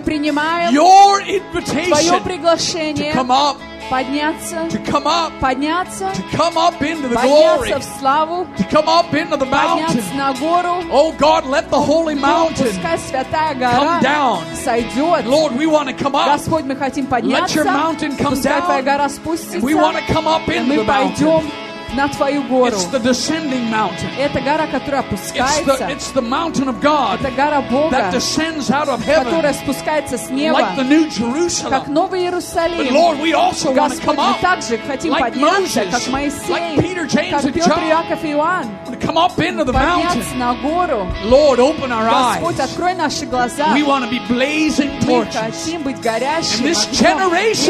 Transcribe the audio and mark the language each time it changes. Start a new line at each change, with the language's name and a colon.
English: invitation to come up,
Russian: подняться,
English: to come up,
Russian: подняться,
English: to come up into the glory,
Russian: в славу,
English: to come up into the mountain.
Russian: На гору,
English: oh God, let the holy mountain
Russian: гора,
English: come down.
Russian: Сойдет.
English: Lord, we want to come up.
Russian: Господь, мы хотим подняться.
English: Let your mountain come down.
Russian: Гора спустится.
English: We want to come up into the mountain.
Russian: На твою гору.
English: It's the descending mountain.
Russian: Это гора, которая опускается.
English: It's the mountain of God.
Russian: Это гора Бога.
English: That descends out of heaven.
Russian: Которая спускается с неба.
English: Like the new Jerusalem.
Russian: Как новый Иерусалим.
English: But Lord, we also want to come up.
Russian: Мы также хотим
English: like
Russian: подняться,
English: Moses,
Russian: как Моисей.
English: Like Peter, James,
Russian: как Петр, Иаков и Иоанн.
English: To come up into the mountain.
Russian: Подняться на гору.
English: Lord, open our
Russian: Господь,
English: eyes.
Russian: Открой наши глаза.
English: We want to be blazing torches.
Russian: Мы хотим быть горящими.
English: And this generation,